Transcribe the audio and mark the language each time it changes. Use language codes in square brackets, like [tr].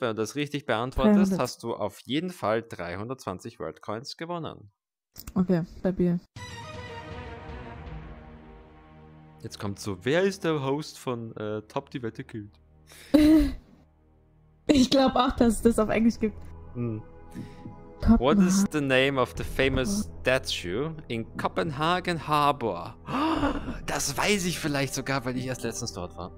[de] Wenn du das richtig beantwortest, 300. Hast du auf jeden Fall 320 Worldcoins gewonnen. Okay, stabil. Jetzt kommt so, wer ist der Host von Top die Wette gilt? Ich glaube auch, dass es das auf Englisch gibt. Hm. [en] What is the name of the famous statue in Copenhagen Harbor? [de] Das weiß ich vielleicht sogar, weil ich erst letztens dort war.